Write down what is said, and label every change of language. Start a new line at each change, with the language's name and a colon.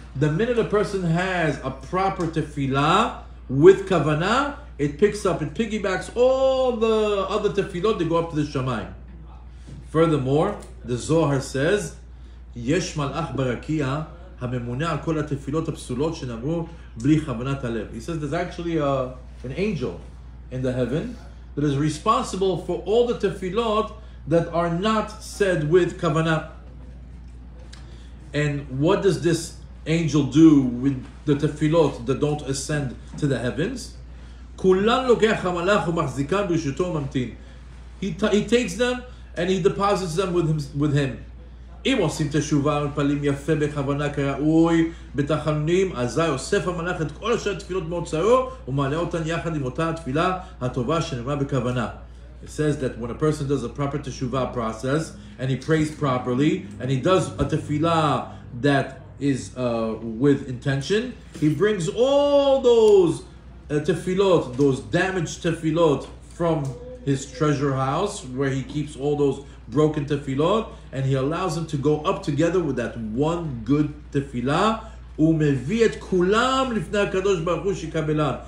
English: The minute a person has a proper tefillah with kavanah, it picks up, it piggybacks all the other tefillot, they go up to the Shamayim. Furthermore, the Zohar says,
Hebrew: יש מלאך ברקיה הממונה על כל התפילות הפסולות שנאמרו בלי כוונת הלב.
English: He says there's actually an angel in the heaven that is responsible for all the tefillot that are not said with kavana. And what does this angel do with the tefillot that don't ascend to the heavens?
Hebrew: כולן לוקח המלאך ומחזיקן ברשותו וממתין.
English: He takes them and he deposits them with him.
Hebrew: אם עושים תשובה על פלים יפה בכוונה כראוי בתחנונים, אזי אוסף המלאך את כל השאר התפילות מוצאו ומעלה אותן יחד עם אותה התפילה הטובה שנאמרה בכוונה.
English: It says that when a person does a proper teshuvah process and he prays properly and he does a tefillah that is with intention, he brings all those tefillot, those damaged tefillot from his treasure house where he keeps all those broken tefillot, and he allows them to go up together with that one good tefillah.
Hebrew: ומביא את כולם לפני הקדוש ברוך הוא שיקבלם.